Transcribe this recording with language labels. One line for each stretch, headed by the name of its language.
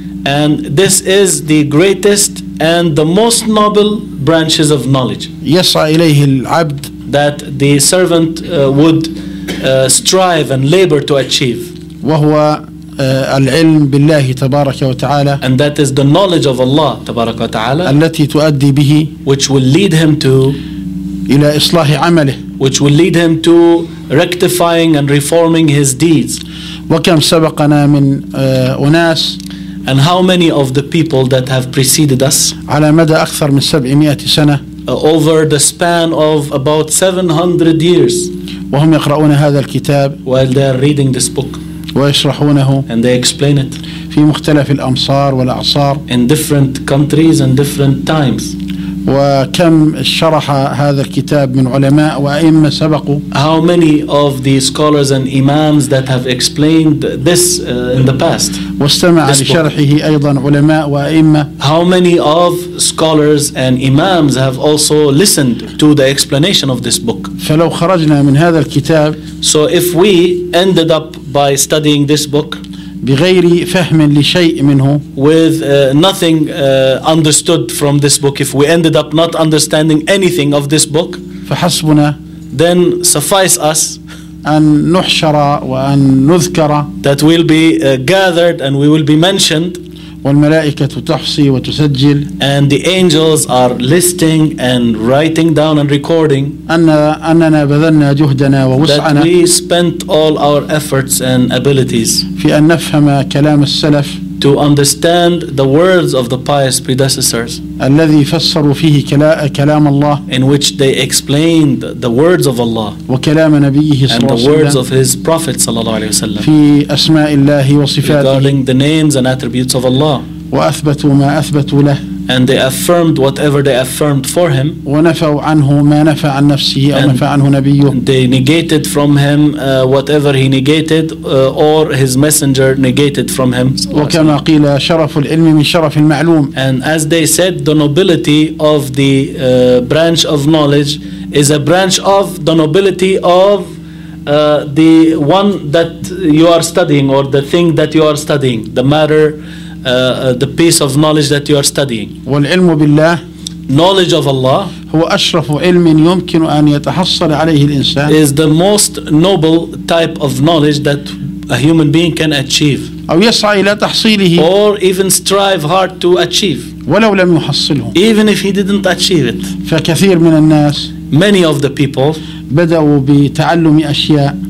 English: And this is the greatest and the most noble branches of knowledge.
Arabic: يسعى إليه العبد.
English: That the servant would strive and labor to achieve.
Arabic: وهو العلم بالله تبارك وتعالى.
English: And that is the knowledge of Allah
Arabic: تبارك وتعالى. التي تؤدي به.
English: Which will lead him to.
Arabic: إلى إصلاح عمله.
English: Which will lead him to rectifying and reforming his deeds.
Arabic: وكم سبقنا من أناس.
English: And how many of the people that have preceded us
Arabic: على مدى أكثر من 700 سنة
English: over the span of about 700 years
Arabic: وهم يقرؤون هذا الكتاب
English: while they are reading this book
Arabic: ويشرحونه
English: and they explain it
Arabic: في مختلف الأمصار والأعصار
English: in different countries and different times
Arabic: وكم شرح هذا الكتاب من علماء وأئمة سبقوا.
English: How many of the scholars and imams that have explained this in the past?
Arabic: واستمع لشرحه أيضا علماء وأئمة.
English: How many of scholars and imams have also listened to the explanation of this book?
Arabic: فلو خرجنا من هذا الكتاب.
English: So if we ended up by studying this book.
Arabic: بغير فهم لشيء منه.
English: With nothing understood from this book, if we ended up not understanding anything of this book,
Arabic: فحسبنا.
English: Then suffice us
Arabic: أن نحشر وأن نذكر.
English: That we'll be gathered and we will be mentioned.
Arabic: والملائكة تحصي وتسجل.
English: And the angels are listing and writing down and recording.
Arabic: أننا بذلنا جهدنا ووسعنا.
English: That we spent all our efforts and abilities.
Arabic: في أن نفهم كلام السلف.
English: To understand the words of the pious predecessors.
Arabic: الذي فسروا فيه كلام الله.
English: In which they explained the words of Allah.
Arabic: وكلام نبيه صلى الله عليه وسلم.
English: And the words of his prophet
Arabic: صلى الله عليه وسلم. في أسماء الله وصفاته.
English: Regarding the names and attributes of Allah.
Arabic: وأثبتوا ما أثبتوا له.
English: And they affirmed whatever they affirmed for him.
Arabic: ونفوا عنه ما نفى عن نفسه أو نفى عنه نبيه.
English: They negated from him whatever he negated or his messenger negated from him.
Arabic: وكما قيل شرف العلم من شرف المعلوم.
English: And as they said, the nobility of the branch of knowledge is a branch of the nobility of the one that you are studying or the thing that you are studying, the matter. The piece of knowledge that you are studying.
Arabic: والعلم بالله.
English: Knowledge of Allah.
Arabic: هو أشرف علم يمكن أن يتحصل عليه الإنسان.
English: Is the most noble type of knowledge that a human being can achieve.
Arabic: أو يسعى إلى تحصيله.
English: Or even strive hard to achieve.
Arabic: ولو لم يحصله.
English: Even if he didn't achieve it.
Arabic: فكثير من الناس.
English: Many of the people.
Arabic: بدأوا بتعلم أشياء.